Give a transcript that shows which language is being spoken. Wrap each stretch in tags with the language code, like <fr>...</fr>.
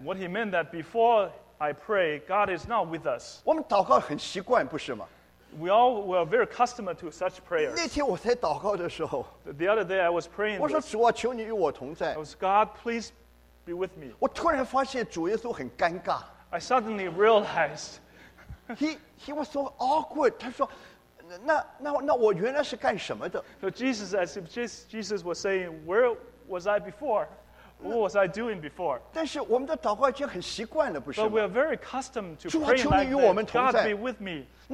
<en>What he meant that before I pray, God is not with us.</en> <zh>我们祷告很习惯,不是吗?</zh> <en>We are very accustomed to such prayers.</en> <zh>那天我在祷告的时候,</zh> <en>the other day I was praying,</en> <zh>我说,主啊,求你与我同在。</zh> <en>I was, God, please be with me.</en> <zh>我突然发现主耶稣很尴尬。</zh> <en>I suddenly realized he was so awkward.</en> <zh>他说那我原来是干什么的?</zh> <en>So Jesus, as if Jesus was saying, where was I before? What was I doing before?</en> <zh>但是我们的祷告已经很习惯了，不是吗?</zh> <en>But we are very accustomed to praying like that. God be with me.</en>